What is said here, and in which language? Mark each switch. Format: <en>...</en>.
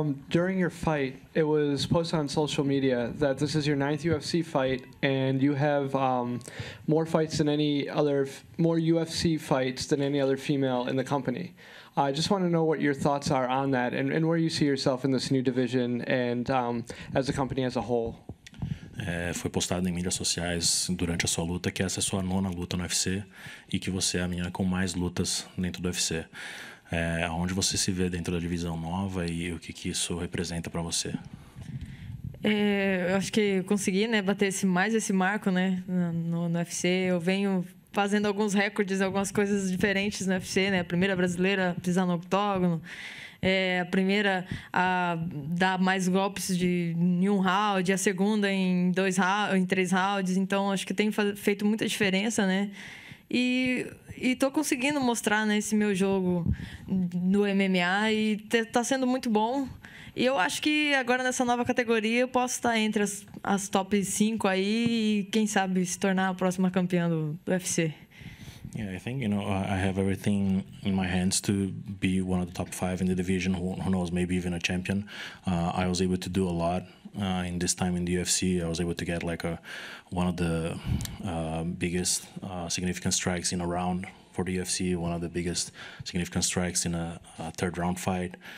<en>During your fight, it was posted on social media that this is your ninth UFC fight, and you have more fights than any other, more UFC fights than any other female in the company. I just want to know what your thoughts are on that, and where you see yourself in this new division and as a company as a whole.</en> <pt>foi postado em mídias sociais durante a sua luta que essa é a sua nona luta no UFC e que você é a menina com mais lutas dentro do UFC. Onde você se vê dentro da divisão nova e o que, que isso representa para você? Eu acho que consegui, né, bater esse marco, né, no UFC. Eu venho fazendo alguns recordes, algumas coisas diferentes no UFC, né? A primeira brasileira a pisar no octógono, a primeira a dar mais golpes em um round, a segunda em dois rounds, em três rounds. Então, acho que tem feito muita diferença, né? E estou conseguindo mostrar, né, esse meu jogo no MMA e está sendo muito bom. E eu acho que agora nessa nova categoria eu posso estar entre as top 5 aí e quem sabe se tornar a próxima campeã do UFC.</pt> <en>Yeah, I think, you know, I have everything in my hands to be one of the top 5 in the division, who knows, maybe even a champion. I was able to do a lot in this time in the UFC. I was able to get like one of the biggest significant strikes in a round for the UFC, one of the biggest significant strikes in a third round fight.</en>